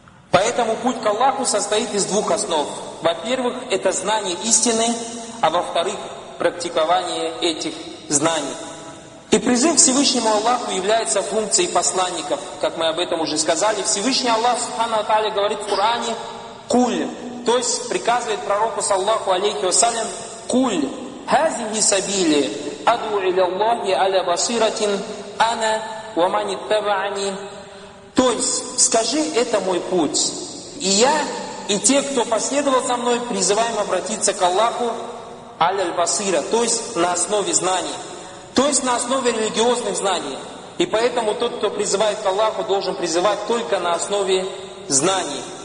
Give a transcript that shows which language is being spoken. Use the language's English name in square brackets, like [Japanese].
[Russian] Поэтому путь к Аллаху состоит из двух основ. Во-первых, это знание истины, а во-вторых, практикование этих знаний. И призыв к Всевышнему Аллаху является функцией посланников, как мы об этом уже сказали. Всевышний Аллах, Субхану Ва Тааля, говорит в Коране «Куль», то есть приказывает пророку, саллаху алейхи вассалям, «Куль, хазихи сабили, [Arabic] أدعو إلى الله على بصيرة أنا ومن اتبعني. [Russian] То есть, скажи, это мой путь. И я, и те, кто последовал за мной, призываем обратиться к Аллаху аль-басира, то есть на основе знаний, то есть на основе религиозных знаний. И поэтому тот, кто призывает к Аллаху, должен призывать только на основе знаний.